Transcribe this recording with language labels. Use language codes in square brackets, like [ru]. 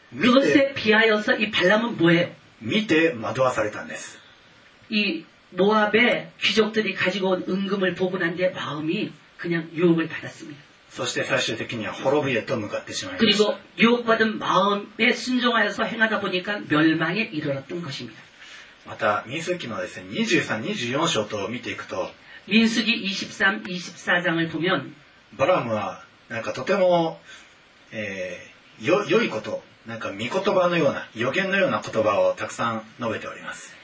[ko] 그것에비하여서이발람은뭐예요 [ja] 見て惑わされたんです [ko] 이모압의귀족들이가지고온은금을보고난뒤에마음이그냥유혹을받았습니다 [ja] そして最終的には滅びへと向かってしまいました [ko] 그리고유혹받은마음에순종하여서행하다보니까멸망에이르렀던것입니다 [ja] また民数記のですね23、24章と見ていくと [ko] 民数記23、24章을보면 [ja] バラムはなんかとても、良いことなんか御言葉のような予言のような言葉をたくさん述べております。